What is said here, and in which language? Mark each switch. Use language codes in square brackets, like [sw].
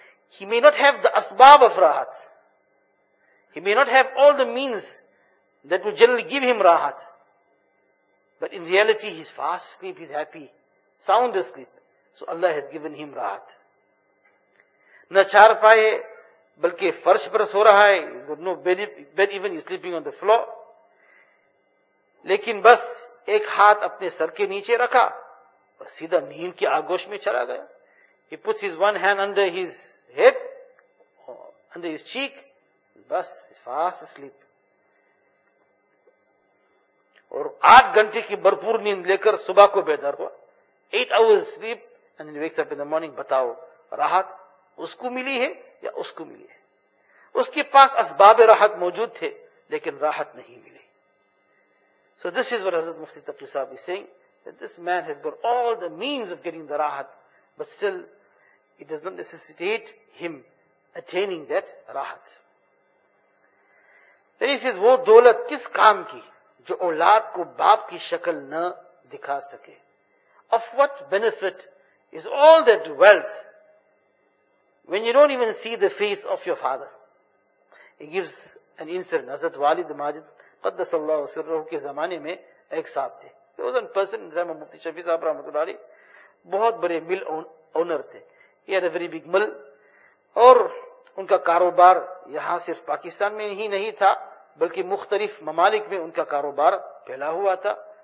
[en] He may not have the asbab of rahat. He may not have all the means that will generally give him rahat. But in reality, he's fast asleep, he's happy, sound asleep. So Allah has given him rahat. [ur] Na char paaye, balki farsh par so raha hai. [en] He's got no bed, even he's sleeping on the floor. [ur] لیکن بس ایک ہاتھ اپنے سر کے نیچے رکھا، بس سیدھا نیند کی آگوش میں چلا گیا. [en] He puts his one hand under his head, under his cheek, بس fast asleep. [ur] اور 8 گھنٹے کی بھرپور نیند لے کر صبح کو بیدار ہوا. [en] 8 hours sleep and then he wakes up in the morning. [ur] بتاؤ، راحت اس کو ملی ہے یا اس کو ملی ہے؟ اس کے پاس اسباب راحت موجود تھے لیکن راحت نہیں ملی. [en] So this is what Hazrat Mufti Taqi Sahib is saying, that this man has got all the means of getting the rahat, but still it does not necessitate him attaining that rahat. Then he says, [ur] وہ دولت کس کام کی جو اولاد کو باپ کی شکل نہ دکھا سکے. [en] Of what benefit is all that wealth when you don't even see the face of your father? He gives an insert. [ur] Hazrat Walid Majid قدس اللہ سرہ کے زمانے میں ایک صاحب تھے، مفتی شفیع صاحب رحمۃ اللہ علیہ، بہت بڑے مل اونر تھے. [en] he had a very big mill, [ur] اور ان کا کاروبار یہاں صرف پاکستان میں ہی نہیں تھا بلکہ مختلف ممالک میں ان کا کاروبار پھیلا ہوا تھا.